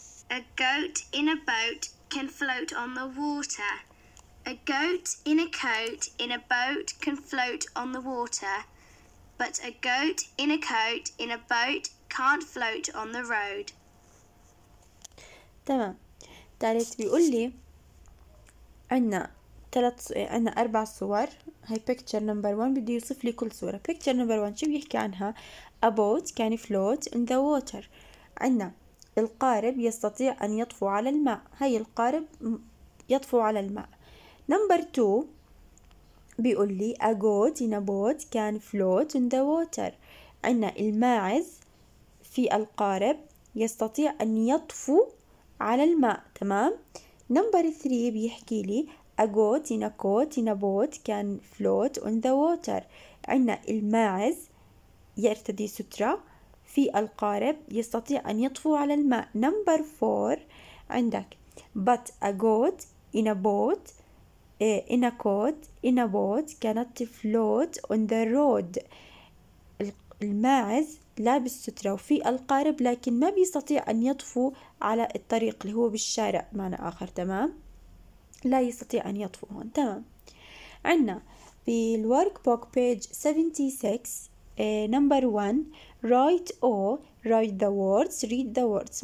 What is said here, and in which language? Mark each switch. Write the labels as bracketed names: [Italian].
[English] A goat in a boat can float on the water. A goat in a coat in a boat can float on the water. But a goat in a coat in a boat can't float on the road. [Arabic] تمام، تالت بيقول لي عنا أربع صور. هاي [English] picture number one، [Arabic] بدي يوصف لي كل صورة. [English] picture number one [Arabic] شو بيحكي عنها؟ [English] a boat can float in the water. [Arabic] عنا القارب يستطيع أن يطفو على الماء. هاي القارب يطفو على الماء. [English] number two [Arabic] بيقول لي [English] a goat in a boat can float in the water. [Arabic] عنا الماعز في القارب يستطيع أن يطفو على الماء. [English] تمام، number three [Arabic] بيحكي لي [English] a goat in a coat in a boat can float on the water. [Arabic] عنا الماعز يرتدي سترة في القارب يستطيع أن يطفو على الماء. [English] number four [Arabic] عندك [English] but a goat in a boat in a coat in a boat cannot float on the road. [Arabic] الماعز لابس سترة وفي القارب لكن ما بيستطيع أن يطفو على الطريق اللي هو بالشارع معنى آخر. تمام، لا يستطيع أن يطفو هون. تمام، عنا في الورك بوك بيج 76 نمبر 1 [English] write O write the words [Arabic] read the words.